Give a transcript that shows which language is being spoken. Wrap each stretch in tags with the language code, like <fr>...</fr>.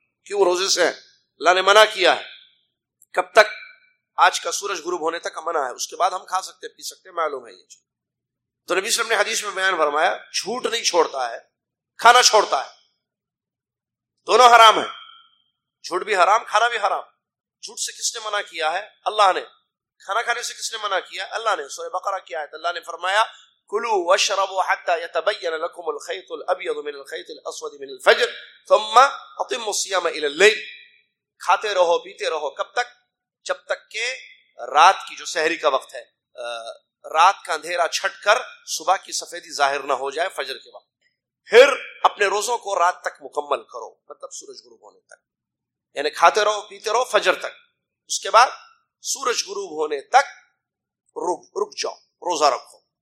<ur>کیوں؟ روزے سے ہیں، اللہ نے منع کیا ہے. کب تک؟ آج کا سورج غروب ہونے تک منع ہے، اس کے بعد ہم کھا سکتے پی سکتے، معلوم ہے یہ چیز. تو نبی صلی اللہ علیہ وسلم نے حدیث میں بیان فرمایا جھوٹ نہیں چھوڑتا ہے، کھانا چھوڑتا ہے، دونوں حرام ہیں، جھوٹ بھی حرام کھانا بھی حرام. جھوٹ سے کس نے منع کیا ہے؟ اللہ نے. کھانا کھانے سے کس نے منع کیا؟ اللہ نے. سورہ بقرہ کی آیت، اللہ نے فرمایا</ur> <ar>کلوا واشربوا حتى يتبين لكم الخيط الابيض من الخيط الاسود من الفجر ثم اتموا الصيام الى الليل.</ar> <ur>کھاتے رہو پیتے رہو، کب تک؟ جب تک کہ رات کی، جو سحری کا وقت ہے، رات کا اندھیرا چھٹ کر صبح کی سفیدی ظاہر نہ ہو جائے فجر کے وقت. پھر اپنے روزوں کو رات تک مکمل کرو، مطلب سورج غروب ہونے تک، یعنی کھاتے رہو پیتے رہو فجر تک، اس کے بعد سورج غروب ہونے تک رک جاؤ، روزہ رکھو.</ur>